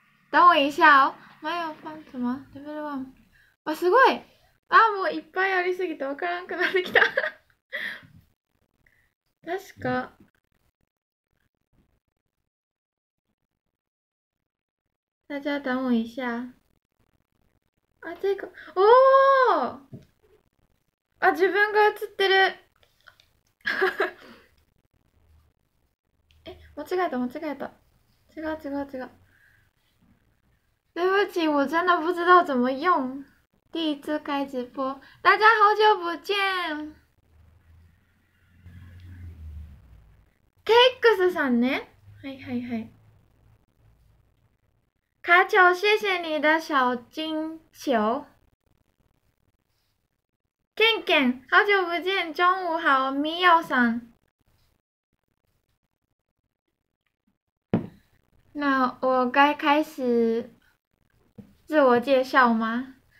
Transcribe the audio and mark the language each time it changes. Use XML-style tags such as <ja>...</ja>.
<zh>等我一下哦，妈哟，放什么？</zh> <en>Level One。</en> <ja>哇，すごい！啊，もういっぱいありすぎてわからんくなってきた。確か。</ja> <zh>大家等我一下。</zh> <ja>あ、这个、おお、あ、自分が映ってる。え、間違えた。違う。</ja> <zh>对不起、我真的不知道怎么用。第一次开直播，大家好久不见。</zh> <ja>KX さんね。</ja> <zh>卡丘，谢谢你的小金球。 Ken，好久不见，中午好，米友さん。那我该开始自我介绍吗？</zh>